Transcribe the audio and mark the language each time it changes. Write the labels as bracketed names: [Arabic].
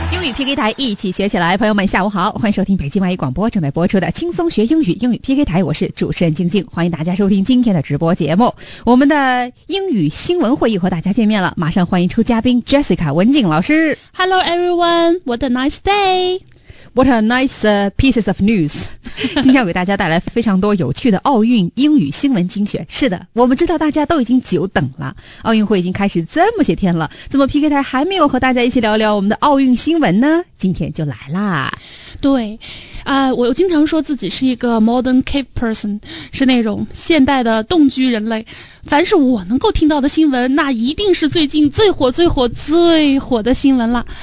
[Chinese] 语 PK 台一起学起来，朋友们下午好，欢迎收听北京外语广播正在播出的轻松学英语英语 PK 台，我是主持人静静，欢迎大家收听今天的直播节目。我们的英语新闻会议和大家见面了，马上欢迎出嘉宾 Jessica 文静老师。 [English] Hello everyone, what a nice day! What a nice pieces of news. [Chinese] 今天要给大家带来非常多有趣的奥运英语新闻精选。是的，我们知道大家都已经久等了，奥运会已经开始这么些天了，怎么 PK 台还没有和大家一起聊聊我们的奥运新闻呢？今天就来啦。对，我经常说自己是一个 [English] modern cave person， [Chinese] 是那种现代的动居人类，凡是我能够听到的新闻，那一定是最近最火最火最火的新闻了。